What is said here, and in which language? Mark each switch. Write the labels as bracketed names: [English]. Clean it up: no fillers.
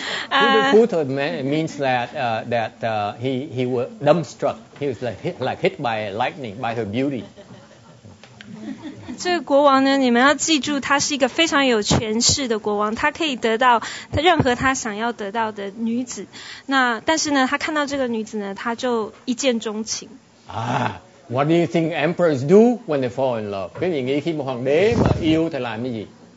[English] Coup de foudre means that he was dumbstruck. He was like hit by lightning by her beauty. [Chinese] 这个国王呢，你们要记住，他是一个非常有权势的国王，他可以得到任何他想要得到的女子。那但是呢，他看到这个女子呢，他就一见钟情。 [English] What do you think emperors do when they fall in love? [Chinese] 跟你讲，他们皇帝嘛，要他来咩？